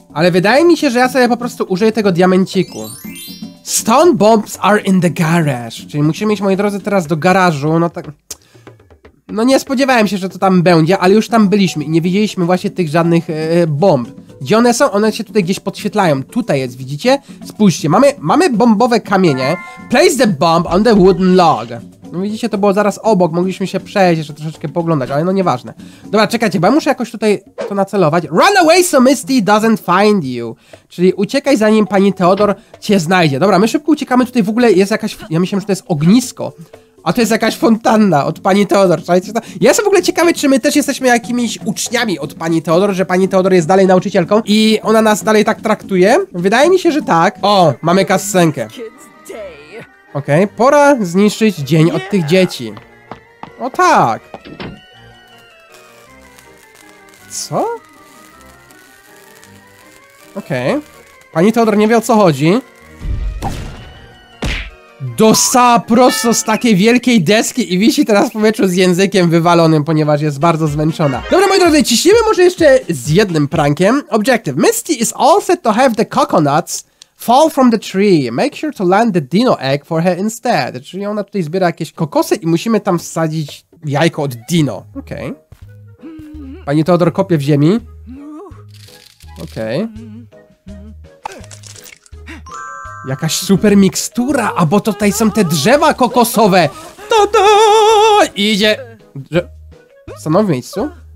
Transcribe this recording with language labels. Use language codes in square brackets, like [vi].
[pl] Ale wydaje mi się, że ja sobie po prostu użyję tego diamenciku. [en] Stone bombs are in the garage. [pl] Czyli musimy iść, moi drodzy, teraz do garażu. No tak. No nie spodziewałem się, że to tam będzie, ale już tam byliśmy i nie widzieliśmy właśnie tych żadnych bomb. Gdzie one są? One się tutaj gdzieś podświetlają. Tutaj jest, widzicie? Spójrzcie, mamy bombowe kamienie. [en] Place the bomb on the wooden log. [pl] No widzicie, to było zaraz obok, mogliśmy się przejść, jeszcze troszeczkę poglądać, ale no nieważne. Dobra, czekajcie, bo ja muszę jakoś tutaj to nacelować. [en] Run away so Misty doesn't find you. [pl] Czyli uciekaj zanim pani Teodor cię znajdzie. Dobra, my szybko uciekamy, tutaj w ogóle jest jakaś... Ja myślałem, że to jest ognisko. A to jest jakaś fontanna od pani Teodor. Ja jestem w ogóle ciekawy, czy my też jesteśmy jakimiś uczniami od pani Teodor, że pani Teodor jest dalej nauczycielką i ona nas dalej tak traktuje. Wydaje mi się, że tak. O, mamy kasenkę. Okej, okay, pora zniszczyć dzień od tych dzieci. O tak. Co? Okej. Okay. Pani Teodor nie wie, o co chodzi. Dostała prosto z takiej wielkiej deski i wisi teraz w powietrzu z językiem wywalonym, ponieważ jest bardzo zmęczona. Dobra, moi drodzy, ciśniemy może jeszcze z jednym prankiem. [en] Objective. Misty is all set to have the coconuts fall from the tree. Make sure to land the dino egg for her instead. [pl] Czyli ona tutaj zbiera jakieś kokosy i musimy tam wsadzić jajko od dino. Okej. Okay. Pani Teodor kopie w ziemi. Okej. Okay. Jakaś super mikstura, a bo tutaj są te drzewa kokosowe. Ta-da! Idzie. Stanął w miejscu.